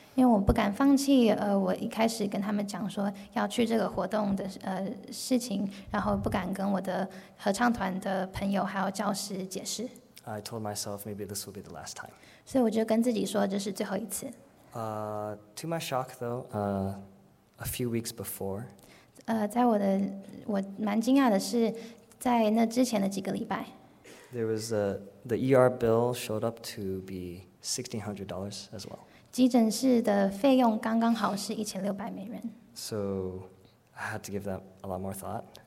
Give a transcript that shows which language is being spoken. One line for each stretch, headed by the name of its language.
Chinese: 因为我不敢放弃我一开始跟他们讲说要去这个活动的事情，然后不敢跟我的合唱团的朋友还有教师解释。
English: I told myself maybe this will be the last time.
Chinese: 所以我就跟自己说这是最后一次。
English: To my shock, though, a few weeks before,
Chinese: 在我蛮惊讶的是，在那之前的几个礼拜
English: ，there was the ER bill showed up to be $1,600 as well.
Chinese: 急诊室的费用刚刚好是1600美元。
English: So I had to give that a lot more thought.